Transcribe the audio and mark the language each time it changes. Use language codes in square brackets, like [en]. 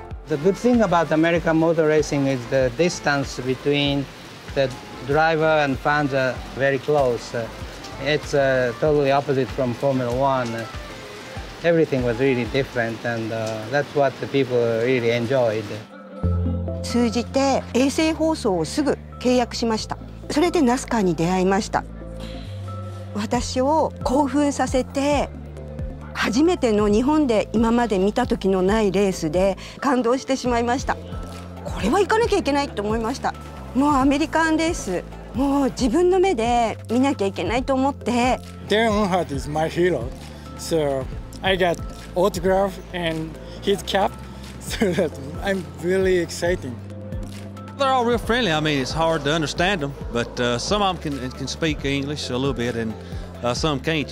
[en] The good thing about American motor racing is the distance between the driver and fans are very close. It's totally opposite from Formula One. Everything was really different, and that's what the people really enjoyed. [ja] 通じて衛星放送をすぐ契約しました。それでナスカーに出会いました。私を興奮させて、初めての日本で今まで見た時のないレースで感動してしまいました。これは行かなきゃいけないと思いました。もうアメリカンレース、もう自分の目で見なきゃいけないと思って。 [en] Dan Earnhardt is my hero, so I got autograph and his cap, so I'm really excited. They're all real friendly. I mean, it's hard to understand them, but some of them can speak English a little bit, and some can't.